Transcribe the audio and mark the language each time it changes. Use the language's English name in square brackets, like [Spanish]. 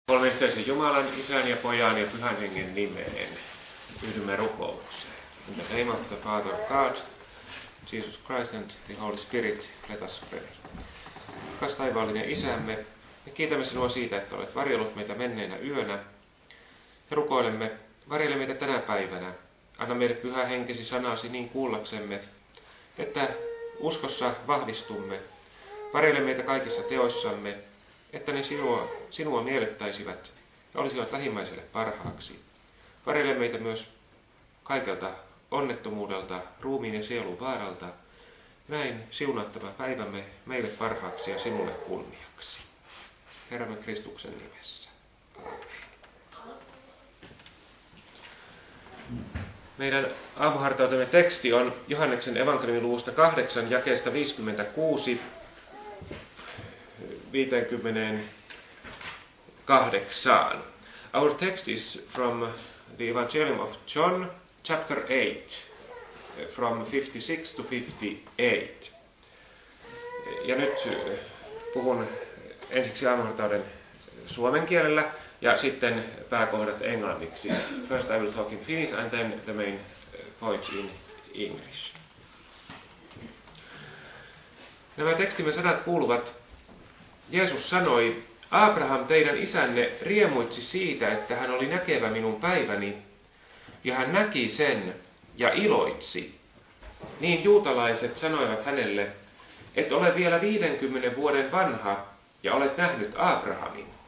[Finnish] Olemme yhteisen Jumalan, Isän ja Pojan ja Pyhän Hengen nimeen. Yhdymme rukoukseen. [English] In the name of the Father of God, Jesus Christ and the Holy Spirit, let us pray. [Finnish] Rakas taivaallinen Isämme, me kiitämme sinua siitä, että olet varjellut meitä menneenä yönä. Ja rukoilemme, varjele meitä tänä päivänä. Anna meille Pyhä Henkesi sanasi niin kuullaksemme, että uskossa vahvistumme. Varjele meitä kaikissa teoissamme, että ne sinua miellyttäisivät ja olisivat lähimmäiselle parhaaksi. Varjele meitä myös kaikelta onnettomuudelta, ruumiin ja sielun vaaralta. Näin siunattava päivämme meille parhaaksi ja sinulle kunniaksi. Herramme Kristuksen nimessä. Meidän aamuhartautemme teksti on Johanneksen evankeliumin luvusta 8, jakeesta 56. 58. [English] Our text is from the Evangelium of John, chapter 8, from 56 to 58. [Finnish] Ja nyt puhun ensiksi aamuhartauden suomen kielellä ja sitten pääkohdat englanniksi. [English] First I will talk in Finnish and then the main points in English. [Finnish] Nämä tekstimme sanat kuuluvat: Jeesus sanoi, Abraham, teidän isänne, riemuitsi siitä, että hän oli näkevä minun päiväni, ja hän näki sen ja iloitsi. Niin juutalaiset sanoivat hänelle, et ole vielä 50 vuoden vanha ja olet nähnyt Abrahamin.